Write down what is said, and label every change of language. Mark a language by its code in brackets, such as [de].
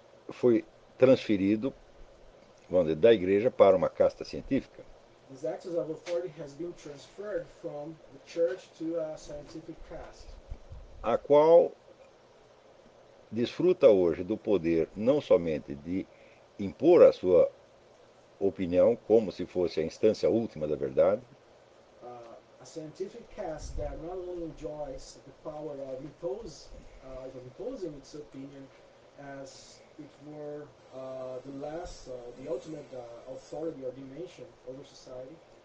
[pt] foi transferido, vamos dizer, da igreja para uma casta científica. [en] These axes of authority has been transferred from the church to a scientific caste. [pt] A qual desfruta hoje do poder não somente de impor a sua opinião como se fosse a instância última da verdade. [en] A scientific caste that not only enjoys the power of imposing its opinion as it were the ultimate authority or dimension over society,